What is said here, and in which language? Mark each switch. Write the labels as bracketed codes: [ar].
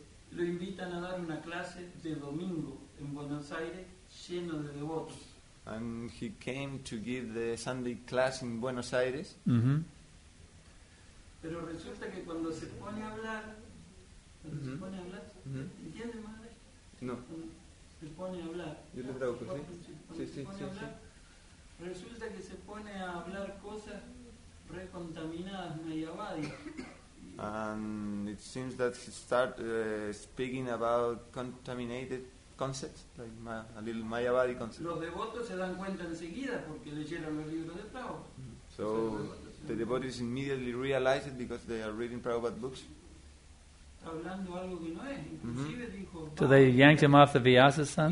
[es] Lo invitan a dar una clase de domingo en Buenos Aires, lleno de devotos. [en] And he came to give the Sunday class in Buenos Aires. [es] Pero resulta que cuando se pone a hablar, ¿entiendes, madre? No. Se pone a hablar. Yo le traduzco, ¿sí? Sí. Resulta que se pone a hablar cosas recontaminadas, mayavádicas. [en] And it seems that he started speaking about contaminated concepts, like a little Mayavadi concept. [es] Los devotos se dan cuenta enseguida porque leyeron los libros de Prabhupada. [en] So the devotees immediately realize it because they are reading Prabhupada books. [es] Hablando algo que no es. Dijo, [en] so they yanked him off the Vyasa son.